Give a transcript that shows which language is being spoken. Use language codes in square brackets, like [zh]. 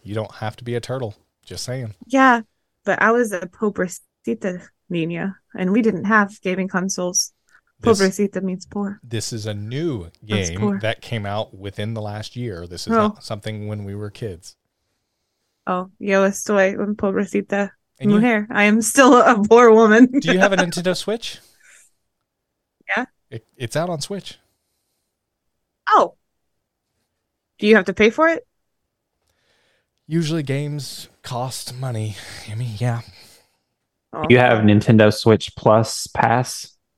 [en] You don't have to be a turtle. Just saying. Yeah, but I was a [es] pobrecita niña, [en] and we didn't have gaming consoles. Pobrecita means poor. This is a new game that came out within the last year. This is not something when we were kids. [es] Oh, yo estoy un pobrecita mujer. [en] I am still a poor woman. Do you have a Nintendo Switch? Yeah. It's out on Switch. Oh, do you have to pay for it? Usually games cost money. I mean, yeah. You have Nintendo Switch Plus Pass?